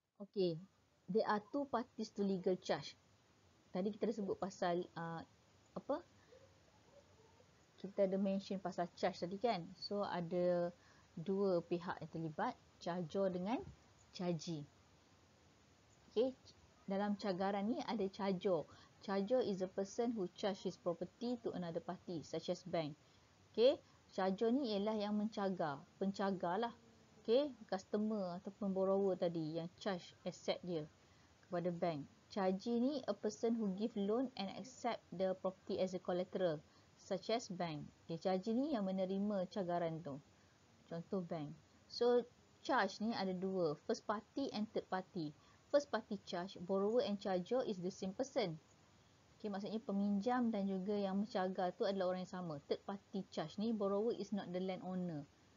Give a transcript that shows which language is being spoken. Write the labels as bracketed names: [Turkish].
[English] Okay, there are two parties to legal charge. [Malay] Tadi kita dah sebut pasal apa? Kita ada mention pasal charge tadi kan? So ada dua pihak yang terlibat, charger dengan charge. [English] Okay, [Malay] dalam cagaran ni ada [English] charger. Charger is a person who charge his property to another party, such as bank. [Malay] Okay, charger ni ialah yang mencagar, pencagar lah. Okay, customer ataupun borrower tadi yang charge asset dia kepada bank. [English] Charge ni a person who give loan and accept the property as a collateral, such as bank. [Malay] Okay, charge ni yang menerima cagaran tu. Contoh bank. So, charge ni ada dua. [English] First party and third party. First party charge, borrower and charger is the same person. [Malay] Okay, maksudnya peminjam dan juga yang mencagar tu adalah orang yang sama. [English] Third party charge ni, borrower is not the landowner.